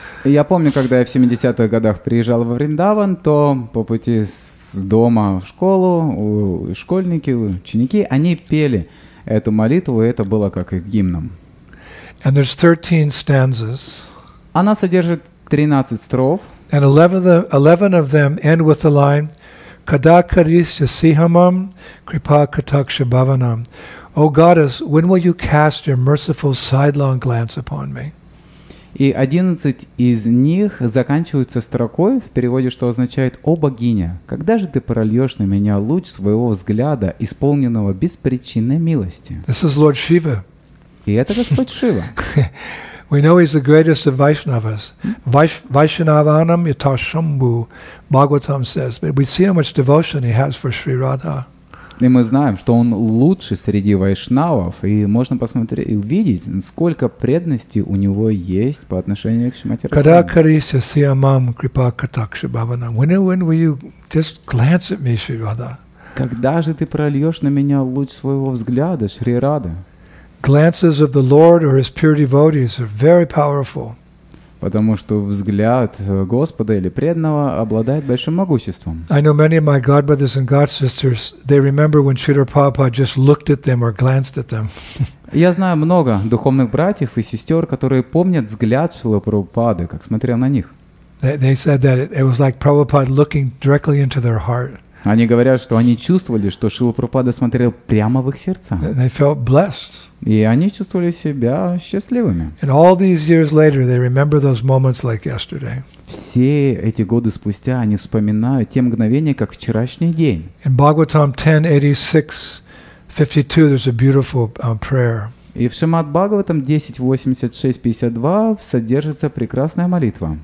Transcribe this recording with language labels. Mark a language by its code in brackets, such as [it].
[ru] Я помню, когда я в 70-х годах приезжал во Вриндаван, то по пути с дома в школу школьники, ученики, они пели эту молитву, и это было как их гимном. [en] And there's 13 stanzas. [ru] Она содержит 13 строф. [en] And 11 of them end with the line [sa] «Kada karishya sihamam kripa kataksha bhavanam? [en] O goddess, when will you cast your merciful sidelong glance upon me?» [ru] И 11 из них заканчиваются строкой в переводе, что означает «О богиня, когда же ты прольешь на меня луч своего взгляда, исполненного беспричинной милости?» [en] This is Lord Shiva. [ru] И это Господь Шива. [en] We know he's the greatest of Vaishnavas. [sa] Vaishnavanam yata shambhu, [en] Bhagavatam says. But we see how much devotion he has for Sri Radha. [ru] И мы знаем, что он лучший среди вайшнавов, и можно посмотреть и увидеть, сколько преданности у него есть по отношению к Шримати Радхе. [sa] Kada karisya siyamam kripa katakshi bhavana. [en] When will you just glance at me, Shri Radha? [ru] Когда же ты прольешь на меня луч своего взгляда, Шри Радха? [en] Glances of the Lord or his pure devotees are very powerful. [ru] Потому что взгляд Господа или преданного обладает большим могуществом. [en] I know many of my godbrothers and godsisters, they remember when Śrīla Prabhupāda just looked at them or glanced at them. [ru] Я знаю много духовных братьев и сестер, которые помнят взгляд Śrīla Prabhupāda, как смотрел на них. [en] They said that it was like Prabhupāda looking directly into their heart. [ru] Они говорят, что они чувствовали, что Шрила Прабхупада смотрел прямо в их сердца. [en] They felt blessed. [ru] И они чувствовали себя счастливыми. [en] And all these years later, they remember those moments like yesterday. [ru] Все эти годы спустя они вспоминают те мгновения, как вчерашний день. [en] In Bhagavatam 10:86-52 there's a beautiful prayer. [ru] И в Шримад Бхагаватам 10:86-52 содержится прекрасная молитва.